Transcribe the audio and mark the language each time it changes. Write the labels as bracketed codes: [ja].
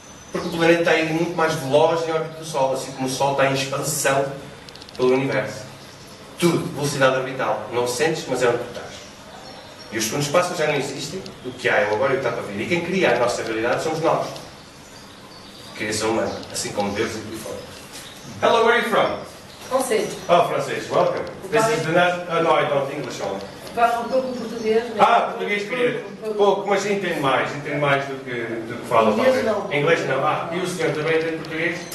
[pt] Porque o planeta está indo muito mais veloz em órbita do Sol, assim como o Sol está em expansão pelo Universo. Tudo, velocidade orbital. Não o sentes, mas é onde tu estás. E os segundos passos já não existem. O que há é o agora e o que está para vir. E quem cria a nossa realidade somos nós. Criação humana, assim como Deus e tudo fora. [en] Hello, where are you from? [pt] Francês. [en] Oh, francês, welcome. This is the night. Oh, no, I don't English only. [pt] Fala um pouco português, mas... Ah, português, querido. Pouco, mas entendo mais do que fala. Inglês fala. Não. Em inglês não. Ah, e o senhor também entende português?